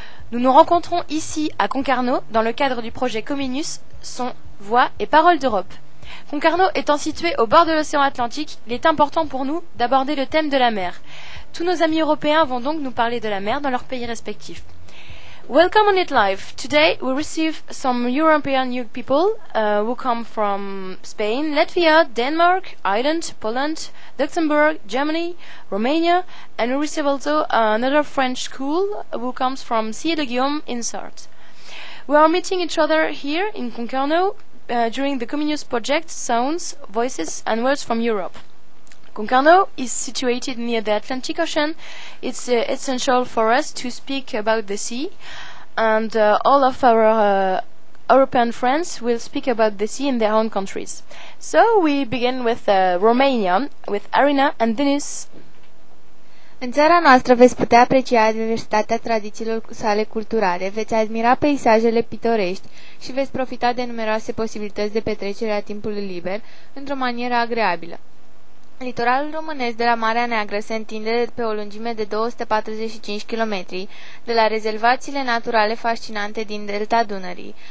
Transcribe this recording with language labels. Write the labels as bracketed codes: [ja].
[fr] Nous nous rencontrons ici à Concarneau dans le cadre du projet Communus, son, voix et parole d'Europe. Concarneau étant situé au bord de l'océan Atlantique, il est important pour nous d'aborder le thème de la mer. Tous nos amis Européens vont donc nous parler de la mer dans leurs pays respectifs. [en] Welcome on Hit Live. Today we receive some European young people who come from Spain, Latvia, Denmark, Ireland, Poland, Luxembourg, Germany, Romania, and we receive also another French school who comes from Sillé-le-Guillaume in Sarthe. We are meeting each other here in Concarneau during the Communist Project Sounds, Voices and Words from Europe. Concarneau is situated near the Atlantic Ocean. It's essential for us to speak about the sea, and all of our European friends will speak about the sea in their own countries. So we begin with Romania, with Arina and Denis. [ro] În țara noastră veți putea aprecia diversitatea tradițiilor sale culturale, veți admira peisajele pitorești și veți profita de numeroase posibilități de petrecere a timpului liber într-o manieră agreabilă. Litoralul românesc de la Marea Neagră se întinde pe o lungime de 245 km, de la rezervațiile naturale fascinante din delta Dunării.